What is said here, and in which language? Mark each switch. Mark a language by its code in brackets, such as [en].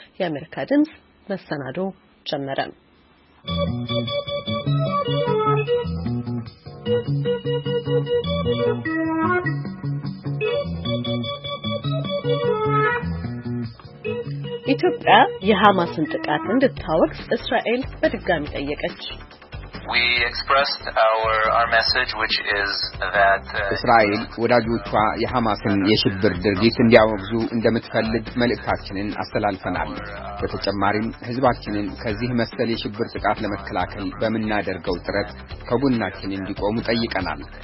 [am] የአሜሪካ ድምጽ መሰናዶ ጀመረ። ኢትዮጵያ የሐማስን ጥቃት እንድታወግዝ እስራኤል በድጋሚ ጠየቀች። [en] We expressed our message which is that [am] እስራኤል ወዳጆቿ የሐማስን የሽብር ድርጊት እንዲያወግዙ እንደምትፈልግ መልእክታችንን አስተላልፈናል። በተጨማሪም ህዝባችንን ከዚህ መሰል የሽብር ጥቃት ለመከላከል በመናደርገው ጥረት ከጎናችን እንዲቆሙ ጠይቀናል።